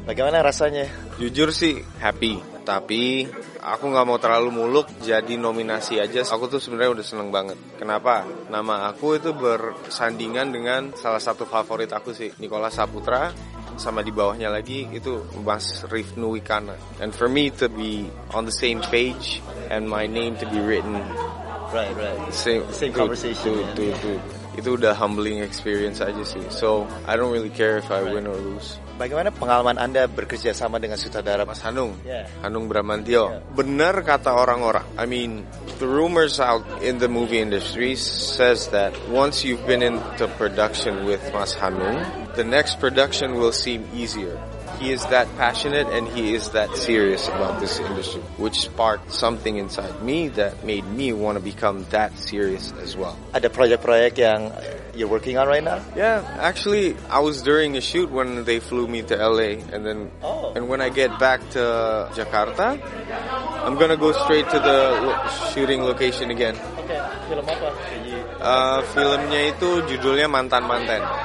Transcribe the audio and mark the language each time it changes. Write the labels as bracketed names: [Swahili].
[Indonesian] Bagaimana rasanya? Jujur sih [English] happy, [Indonesian] tapi aku gak mau terlalu muluk, jadi nominasi aja. Aku tuh sebenarnya udah seneng banget. Kenapa? Nama aku itu bersandingan dengan salah satu favorit aku sih, Nicholas Saputra. Sama di bawahnya lagi itu Mas Rifnu Wikana. [English] And for me to be on the same page and my name to be written, Same conversation [Indonesian] itu udah [English] humbling experience [Indonesian] aja sih. [English] So I don't really care if I win or lose. [Indonesian] Bagaimana pengalaman Anda bekerja sama dengan sutradara Mas Hanung? Yeah. Hanung Bramantio. Yeah. Benar kata orang-orang. [English] I mean, the rumors out in the movie industry says that once you've been into production with Mas Hanung, the next production will seem easier. He is that passionate and he is that serious about this industry, which sparked something inside me that made me want to become that serious as well. [Indonesian] Ada proyek-proyek yang [English] you're working on right now? Yeah, actually, I was during a shoot when they flew me to LA, and then and when I get back to Jakarta, I'm gonna go straight to the shooting location again. [Indonesian] Okay, film apa? Filmnya itu judulnya Mantan Manten.